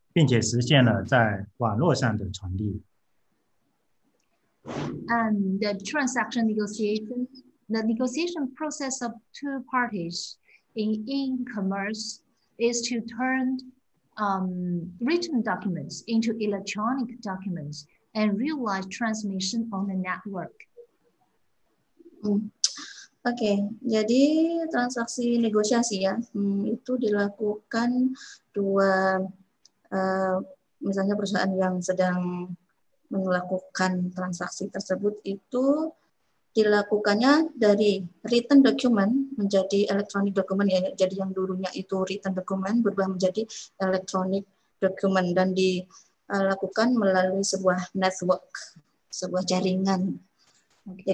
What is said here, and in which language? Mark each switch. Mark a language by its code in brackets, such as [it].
[zh] 电子商务中交易的协商是双方的协商过程，是将书面单据变成了电子单据，并且实现了在网络上的传递。 [en] And the transaction negotiation. The negotiation process of two parties in e-commerce is to turn written documents into electronic documents and realize transmission on the network. [id] Okay, jadi transaksi negosiasi ya, itu dilakukan dua, misalnya perusahaan yang sedang melakukan transaksi tersebut itu dilakukannya dari [en] written document [id] menjadi [en] electronic document [id] ya, jadi yang dulunya itu written document berubah menjadi electronic document dan dilakukan melalui sebuah network, sebuah jaringan. Okay.